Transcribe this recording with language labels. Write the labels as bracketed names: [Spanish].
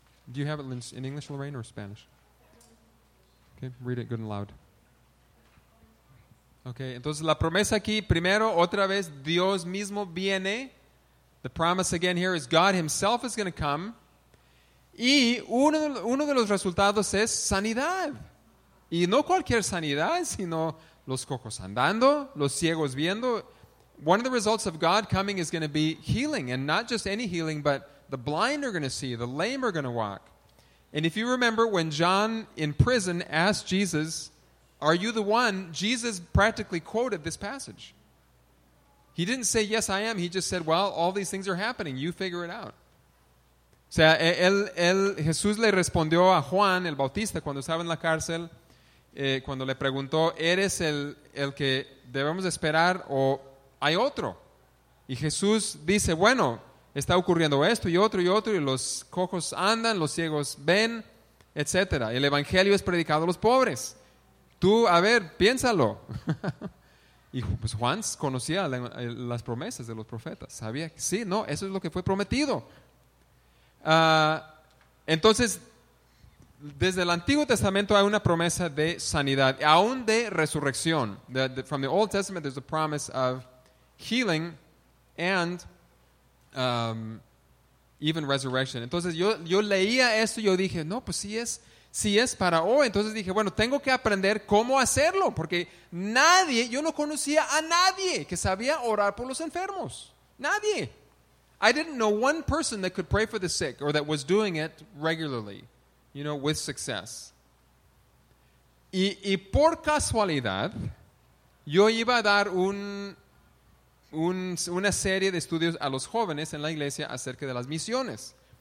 [English] Do you have it in English, Lorraine, or Spanish? Okay, read it good and loud. [Spanish] Okay, entonces la promesa aquí, primero, otra vez, Dios mismo viene. [English] The promise again here is God himself is going to come. [Spanish] Y uno de los resultados es sanidad. Y no cualquier sanidad, sino los cojos andando, los ciegos viendo. [English] One of the results of God coming is going to be healing, and not just any healing, but the blind are going to see, the lame are going to walk. And if you remember when John in prison asked Jesus, are you the one? Jesus practically quoted this passage. He didn't say, yes, I am. He just said, well, all these things are happening. You figure it out. [Spanish] O sea, Jesús le respondió a Juan, el Bautista, cuando estaba en la cárcel, cuando le preguntó, ¿eres el que debemos esperar o hay otro? Y Jesús dice, bueno, está ocurriendo esto y otro, y los cojos andan, los ciegos ven, etc. El evangelio es predicado a los pobres. Tú, a ver, piénsalo. Y pues Juan conocía las promesas de los profetas. Sabía que sí, no, eso es lo que fue prometido. Entonces, desde el Antiguo Testamento hay una promesa de sanidad, aún de resurrección. [English] From the Old Testament there's a promise of healing and even resurrection. [Spanish] Entonces yo leía esto y yo dije, no, pues sí es. Si es para hoy, entonces dije, bueno, tengo que aprender cómo hacerlo, porque nadie, yo no conocía a nadie que sabía orar por los enfermos. Nadie. [English] I didn't know one person that could pray for the sick or that was doing it regularly, you know, with success. [Spanish] Y por casualidad, yo iba a dar una serie de estudios a los jóvenes en la iglesia acerca de las misiones.